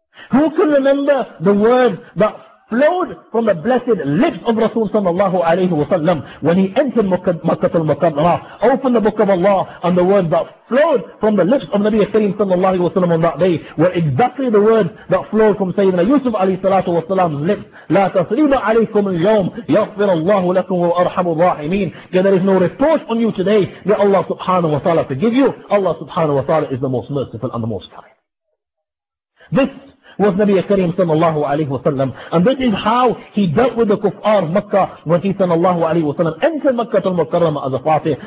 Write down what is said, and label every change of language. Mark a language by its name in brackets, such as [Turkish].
[English] Who can remember the word that flowed from the blessed lips of Rasul sallallahu alayhi wa sallam when he entered Makkah al-Mukarramah, opened the book of Allah, and the words that flowed from the lips of Nabi Kareem sallallahu alayhi wa sallam on that day were exactly the words that flowed from Sayyidina Yusuf alayhi salatu wa sallam's lips. [Arabic] لا تصريب عليكم اليوم يغفر الله لكم وارحم الراحمين. [English] There is no reproach on you today, that Allah subhanahu wa ta'ala forgive you. Allah subhanahu wa ta'ala is the most merciful and the most kind. This was Nabi Kareem sallallahu alayhi wa sallam, and this is how he dealt with the kuffar of Makkah when he sallallahu alayhi wa sallam entered Makkah al-Mukarramah as a fatih.